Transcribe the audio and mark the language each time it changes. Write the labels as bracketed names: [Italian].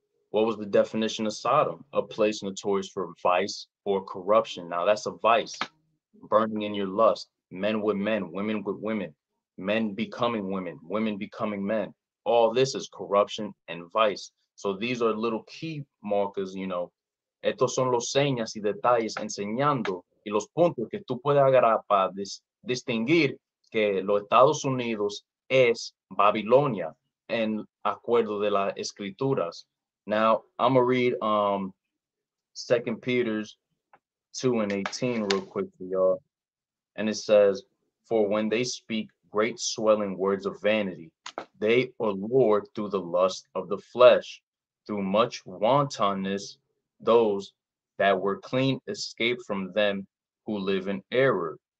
[English] What was the definition of Sodom? A place notorious for vice or corruption. Now that's a vice. Burning in your lust. Men with men, women with women, men becoming women, women becoming men. All this is corruption and vice. So these are little key markers, you know. [Spanish] Estos son los señas y detalles enseñando y los puntos que tú puedes agarrar para distinguir que los Estados Unidos es Babilonia en acuerdo de las escrituras. [English] Now, I'm going to read 2 Peter's 2 and 18 real quick for y'all. And it says, for when they speak great swelling words of vanity, they allure through the lust of the flesh, through much wantonness, those that were clean escape from them who live in error.